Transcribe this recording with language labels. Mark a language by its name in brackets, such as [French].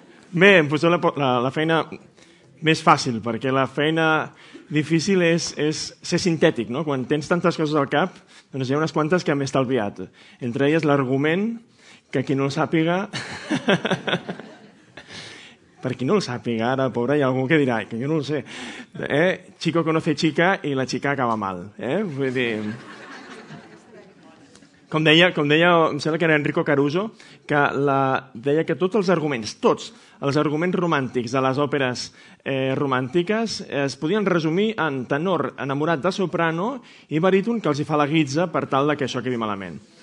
[Catalan] Bé, em poso la feina més fàcil, perquè la feina difícil és ser sintètic, no? Quan tens tantes coses al cap, doncs hi ha unes quantes que m'he estalviat. Entre elles l'argument, que qui no el sàpiga... Per qui no el sàpiga, ara, pobre, hi ha algú que dirà que jo no ho sé. [Spanish] Chico conoce chica i la chica acaba mal. [Catalan] Vull dir... Com deia, em sembla que era Enrico Caruso, que deia que tots els arguments romàntics de les òperes romàntiques es podien resumir en tenor enamorat de soprano i baríton que els hi fa la guitza per tal que això quedi malament.